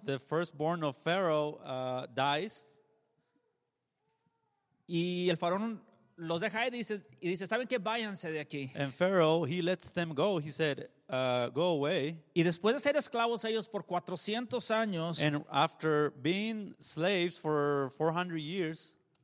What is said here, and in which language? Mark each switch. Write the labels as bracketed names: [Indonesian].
[English] The firstborn of Pharaoh dies. [Spanish] Y el faraón los deja ahí y dice, ¿saben qué? Váyanse de aquí. [English] And Pharaoh, he lets them go. He said, go away. [Spanish] Y después de ser esclavos ellos por 400 años. [English] And after being slaves for 400 years.